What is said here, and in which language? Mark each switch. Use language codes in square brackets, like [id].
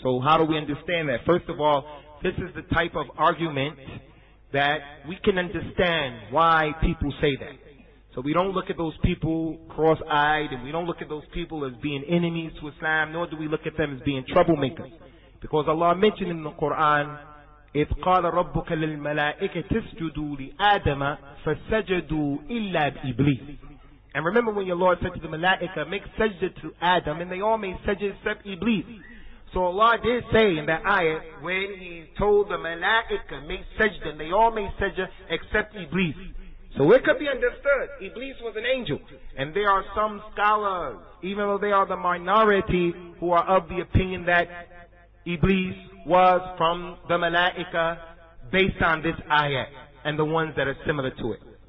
[en] So how do we understand that? First of all, this is the type of argument that we can understand why people say that. So we don't look at those people cross-eyed, and we don't look at those people as being enemies to Islam, nor do we look at them as being troublemakers. Because Allah mentioned in the Quran, [ar] إِذْ قَالَ رَبُّكَ لِلْمَلَائِكَةِ تِسْجُدُوا لِآدَمَ فَسَجَدُوا إِلَّا بِإِبْلِيسِ. [en] And remember when your Lord said to the Malaika, make sajda to Adam, and they all made sajda except Iblis. So Allah did say in that ayah, when he told the Malaika, make sajda, and they all made sajda except Iblis. So it could be understood, Iblis was an angel. And there are some scholars, even though they are the minority, who are of the opinion that Iblis was from the Malaika based on this ayah and the ones that are similar to it.